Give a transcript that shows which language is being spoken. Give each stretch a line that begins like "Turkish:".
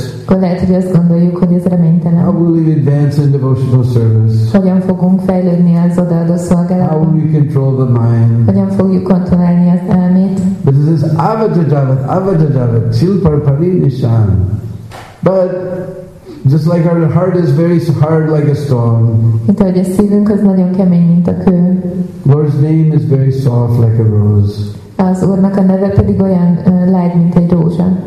Hungarian: Akkor lehet, hogy azt gondoljuk, hogy ez reménytelen.
English: How will it advance in devotional service?
Hungarian: Hogyan fogunk fejlődni az odaadó szolgálatban?
English: How will we control the mind?
Hungarian: Hogyan fogjuk kontrollálni az elmét?
English: But this is
Braj: avatajavat, Shilparpari Nishan.
English: But just like our heart is very hard like a stone.
Hungarian: Itt ahogy a szívünk az nagyon kemény, mint a kő.
English: Lord's name is very soft like a rose.
Hungarian: Az Úrnak a neve pedig olyan lágy, mint egy rózsa.